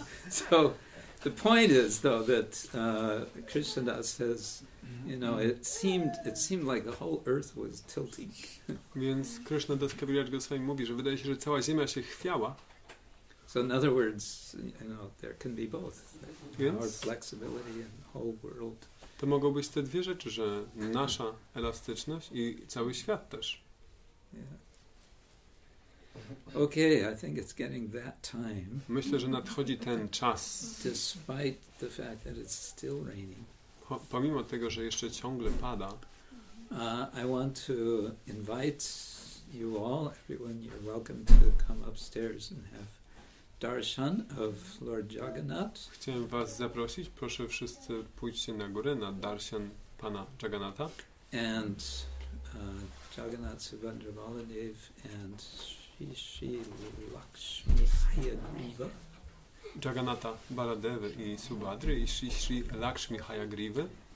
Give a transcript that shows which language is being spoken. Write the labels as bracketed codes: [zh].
[en] So the point is, though, that Krishnadas says, you know, it seemed like the whole earth was tilting. [pl] Więc Krishna Das Kaviraj Goswami mówi, że wydaje się, że cała ziemia się chwiała. [en] So in other words, you know, there can be both. Our flexibility and the whole world. [pl] To mogą być te dwie rzeczy, że nasza elastyczność i cały świat też. [en] Yeah. Okay, I think it's getting that time. [pl] Myślę, że nadchodzi ten czas. [en] Despite the fact that it's still raining. [pl] Pomimo tego, że jeszcze ciągle pada, [en] I want to invite you all, everyone, you're welcome to come upstairs and have darshan of Lord Jagannath. [pl] Chciałem was zaprosić, proszę wszyscy pójdźcie na górę na darshan pana Jagannatha. [en] And Jagannath Subhadra Baladev and Shri Lakshmi Hayagriva. [pl] Jagannatha Baladeva i Subhadra i Shri Lakshmi Hayagriva.